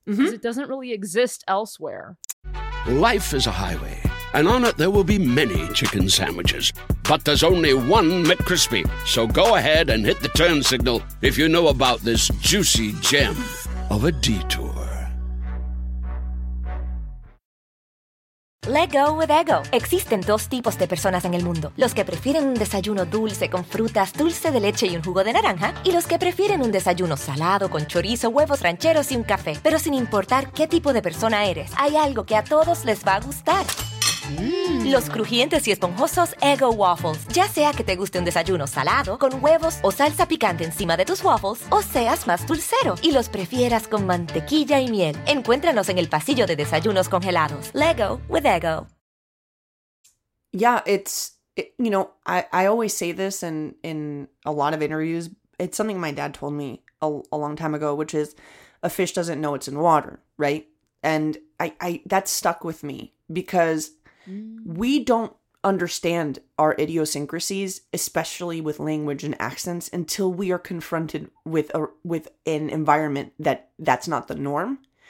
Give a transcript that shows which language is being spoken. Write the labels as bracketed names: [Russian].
[English] Because it doesn't really exist elsewhere. Life is a highway. And on it, there will be many chicken sandwiches. But there's only one McCrispy. So go ahead and hit the turn signal if you know about this juicy gem of a detour. Let go with Eggo. [Spanish] Existen dos tipos de personas en el mundo. Los que prefieren un desayuno dulce con frutas, dulce de leche y un jugo de naranja. Y los que prefieren un desayuno salado con chorizo, huevos rancheros y un café. Pero sin importar qué tipo de persona eres, hay algo que a todos les va a gustar. Los crujientes y esponjosos Eggo Waffles. Ya sea que te guste un desayuno salado con huevos o salsa picante encima de tus waffles o seas más dulcero y los prefieras con mantequilla y miel. Encuéntranos en el pasillo de desayunos congelados. [English] Lego with Eggo. Yeah, I always say this in a lot of interviews. It's something my dad told me a long time ago, which is a fish doesn't know it's in water, right? And I that stuck with me because we don't understand our idiosyncrasies, especially with language and accents, until we are confronted with an environment that's not the norm.